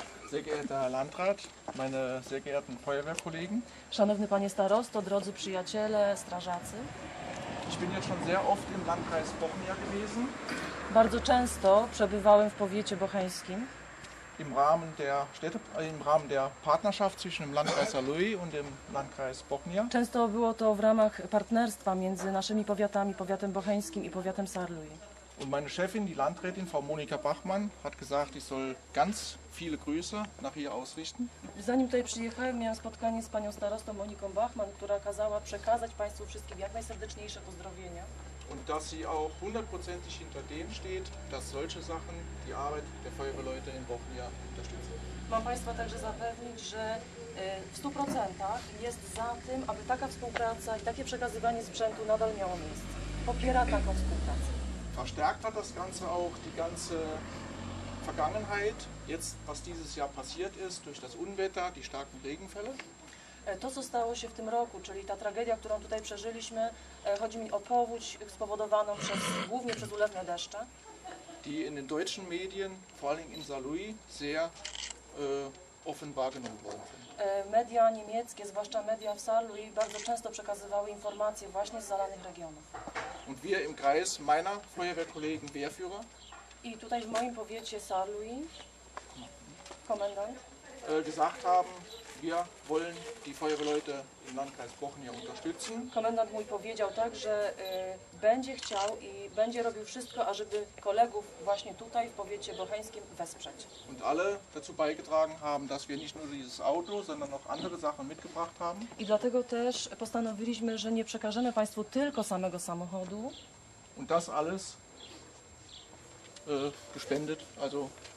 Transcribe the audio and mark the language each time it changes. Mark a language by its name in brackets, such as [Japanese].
[German] Sehr geehrter Herr Landrat, meine sehr geehrten Feuerwehrkollegen. [Polish] Szanowny Panie Starosto, drodzy przyjaciele, strażacy. [German] Ich bin ja schon sehr oft im Landkreis Bochnia gewesen. [Polish] Bardzo często przebywałem w powiecie bocheńskim. [German] Im Rahmen der Partnerschaft zwischen dem Landkreis Alui und dem Landkreis Bochnia. [Polish] Często było to w ramach partnerstwa między naszymi powiatami, powiatem bocheńskim i powiatem Sarlui. [German] Und meine Chefin, die Landrätin Frau Monika Bachmann, hat gesagt, ich soll ganz viele Grüße nach ihr ausrichten. [Polish] Zanim tutaj przyjechałem, miałem spotkanie z panią starostą Moniką Bachmann, która kazała przekazać państwu wszystkim jak najserdeczniejsze pozdrowienia. [German] Und dass sie auch hundertprozentig hinter dem steht, dass solche Sachen die Arbeit der Feuerwehrleute in Bochnia unterstützen. [Polish] Mam państwa także zapewnić, że w 100% jest za tym, aby taka współpraca i takie przekazywanie sprzętu nadal miało miejsce. Popiera taką współpracę. [German] Verstärkt hat das Ganze auch die ganze Vergangenheit, jetzt was dieses Jahr passiert ist, durch das Unwetter, die starken Regenfälle. [Polish] To, co stało się w tym roku, czyli ta tragedia, którą tutaj przeżyliśmy, chodzi mi o powódź spowodowaną głównie przez ulewne deszcze. [German] Die in den deutschen Medien, vor allem in Saarlouis, sehr offen wahrgenommen worden sind. [Polish] Media niemieckie, zwłaszcza media w Saarlouis, bardzo często przekazywały informacje właśnie z zalanych regionów. [German] Und wir im Kreis meiner Feuerwehrkollegen Wehrführer. [Polish] I tutaj w moim powiecie Saarlouis, komendant, [German] gesagt haben, wir wollen die Feuerwehrleute im Landkreis Bochnia unterstützen. [Polish] Komendant mój powiedział tak, że będzie chciał i będzie robił wszystko, ażeby kolegów właśnie tutaj w powiecie bocheńskim wesprzeć. [German] Und alle dazu beigetragen haben, dass wir nicht nur dieses Auto, sondern auch andere Sachen mitgebracht haben. [Polish] I dlatego też postanowiliśmy, że nie przekażemy państwu tylko samego samochodu. [German] Und das alles gespendet, also